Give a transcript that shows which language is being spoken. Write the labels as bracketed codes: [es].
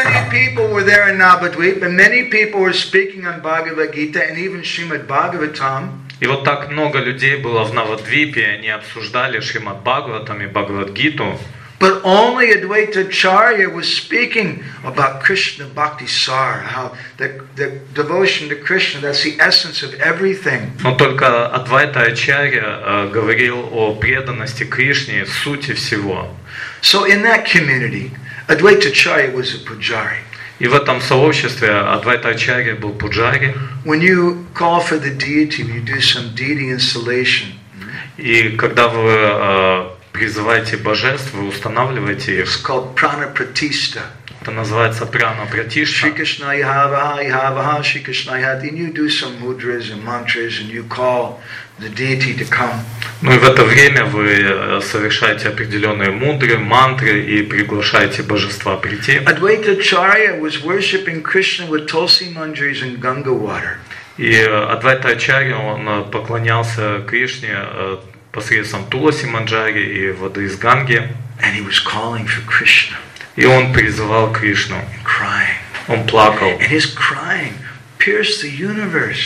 [en] People were there in Navadvip, and many people were speaking on Bhagavad Gita and even Srimad Bhagavatam. [ru] И вот так много людей было в Навадвипе, они обсуждали Шримад Бхагаватам и Бхагавад Гиту. [en] But only Advaita Acharya was speaking about Krishna Bhakti Sar, how the devotion to Krishna, that's the essence of everything. [ru] Но только Адвайта Ачарья говорил о преданности Кришне, сути всего. [en] So in that community, Advaita Acharya was a pujari. [ru] И в этом сообществе Адвайта Ачарья был пуджари. [en] When you call for the deity, you do some deity installation. [ru] И когда вы призываете божеств, вы устанавливаете их. [en] It's called prana pratista. [ru] Это называется прана пратишта. [sa] Shri Krishna yavaha yavaha Shri Krishna yavaha. [en] And you do some mudras and mantras and you call the deity to come. [ru] Ну и в это время вы совершаете определенные мудры, мантры и приглашаете божества прийти. [en] Advaita Acharya was worshiping Krishna with tulsi mandris and Ganga water. [ru] И Адвайта Ачарья, он поклонялся Кришне посредством туласи манджари и воды из Ганги. [en] And he was calling for Krishna. [ru] И он призывал Кришну. [en] Crying. [ru] Он плакал. [en] And his crying. Pierced the universe.